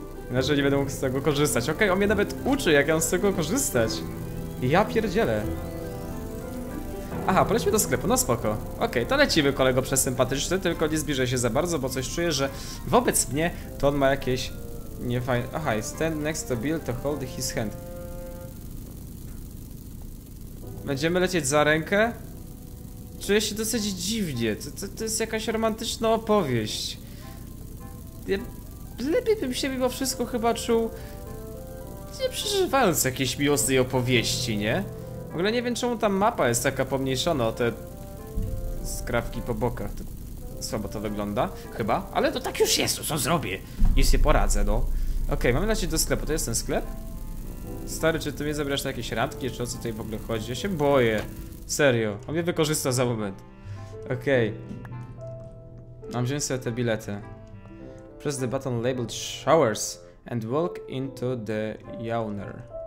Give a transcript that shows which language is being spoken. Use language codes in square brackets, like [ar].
[pl] Inaczej nie będę mógł z tego korzystać. Okej, on mnie nawet uczy, jak ja mam z tego korzystać. Ja pierdzielę. Aha, polećmy do sklepu, no spoko. Okej, to lecimy, kolego przesympatyczny. Tylko nie zbliżaj się za bardzo, bo coś czuję, że wobec mnie to on ma jakieś niefajne... [en] Aha, stand next to Bill to hold his hand. [pl] Będziemy lecieć za rękę? Czuję się dosyć dziwnie. To jest jakaś romantyczna opowieść. Ja lepiej bym się mimo wszystko chyba czuł, nie przeżywając jakiejś miłosnej opowieści, nie? W ogóle nie wiem, czemu ta mapa jest taka pomniejszona, te skrawki po bokach. To słabo to wygląda, chyba. Ale to tak już jest, co zrobię? I się poradzę, no. Okej, mamy lecieć do sklepu. To jest ten sklep? Stary, czy ty mnie zabierasz na jakieś randki, czy o co tutaj w ogóle chodzi? Ja się boję. Serio, on mnie wykorzysta za moment. Okej. Mam wziąć sobie te bilety. [en] Press the button labeled showers and walk into the yawner.